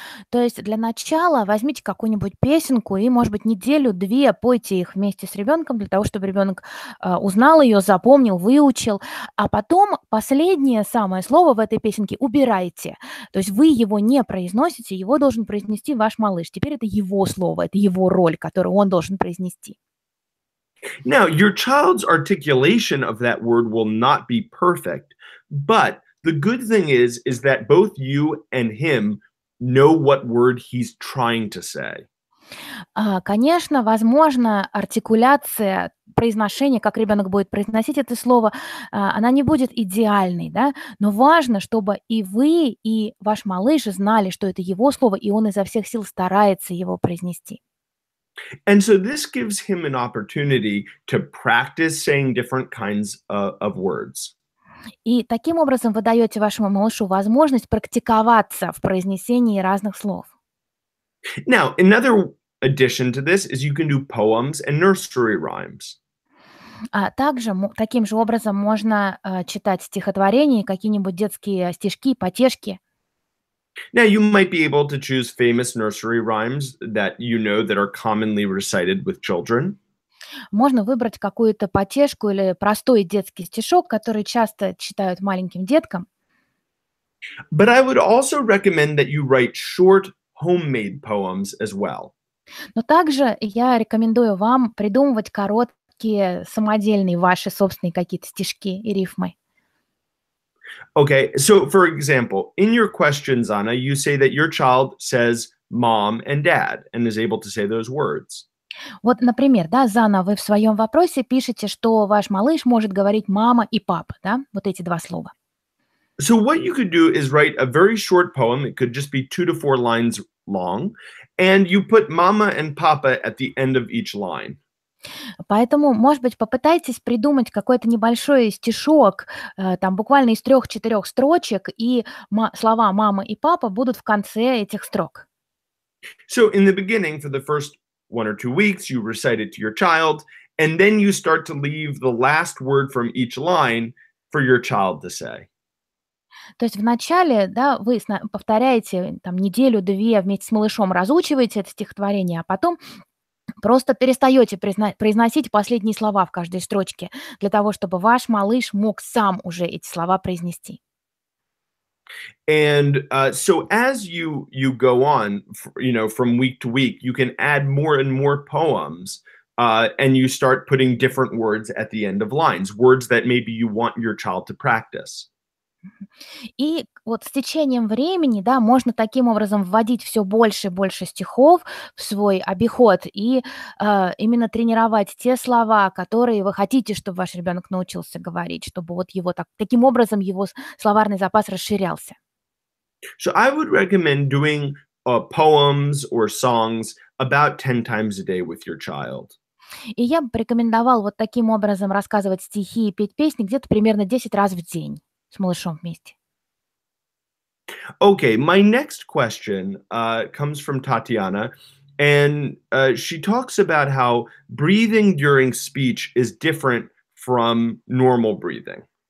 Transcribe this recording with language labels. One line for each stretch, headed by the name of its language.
Russian: То есть для начала возьмите какую-нибудь песенку и, может быть, неделю-две пойте их вместе с ребенком для того, чтобы ребенок узнал ее, запомнил, выучил. А потом последнее самое слово в этой песенке убирайте. То есть вы его не произносите, его должен произнести ваш малыш. Теперь это его слово, это его роль, которую он должен произнести.
English: Now, your child's articulation of that word will not be perfect, but the good thing is that both you and him know what word he's trying to say.
Russian: Конечно, возможно, артикуляция, произношение, как ребенок будет произносить это слово, она не будет идеальной, да? Но важно, чтобы и вы, и ваш малыш знали, что это его слово, и он изо всех сил старается его произнести.
English: And so this gives him an opportunity to practice saying different kinds of words.
Russian: И таким образом вы даете вашему малышу возможность практиковаться в произнесении разных слов.
English: Now, another addition to this is you can do poems and nursery rhymes.
Russian: Также таким же образом можно читать стихотворения, какие-нибудь детские стишки, потешки.
English: Now, you might be able to choose famous nursery rhymes that you know that are commonly recited with children.
Russian: Можно выбрать какую-то потешку или простой детский стишок, который часто читают маленьким деткам.
English: But I would also recommend that you write short homemade poems as well.
Russian: Но также я рекомендую вам придумывать короткие самодельные ваши собственные какие-то стишки и рифмы.
English: Okay, so for example, in your questions, Anna, you say that your child says mom and dad and is able to say those words.
Russian: Вот, например, да, Зана, вы в своем вопросе пишете, что ваш малыш может говорить «мама» и «папа», да, вот эти два слова.
English: So what you could do is write a very short poem, it could just be 2 to 4 lines long, and you put «мама» and «папа» at the end of each line.
Russian: Поэтому, может быть, попытайтесь придумать какой-то небольшой стишок, там буквально из 3-4 строчек, и слова «мама» и «папа» будут в конце этих строк.
English: So in the beginning, for the first 1 or 2 weeks, you recite it to your child, and then you start to leave the last word from each line for your child to say.
Russian: То есть вначале, да, вы повторяете там неделю-две вместе с малышом, разучиваете это стихотворение, а потом просто перестаете произносить последние слова в каждой строчке для того, чтобы ваш малыш мог сам уже эти слова произнести.
English: And so as you go on, you know, from week to week, you can add more and more poems and you start putting different words at the end of lines, words that maybe you want your child to practice.
Russian: И вот с течением времени, да, можно таким образом вводить все больше и больше стихов в свой обиход и именно тренировать те слова, которые вы хотите, чтобы ваш ребенок научился говорить, чтобы вот его так, таким образом его словарный запас расширялся.
English: So I would recommend doing poems or songs about 10 times a day with your child.
Russian: И я бы рекомендовал вот таким образом рассказывать стихи и петь песни где-то примерно 10 раз в день. С малышом вместе.
English: Okay, my next question comes from Tatiana, and she talks about how breathing during speech is different from normal breathing.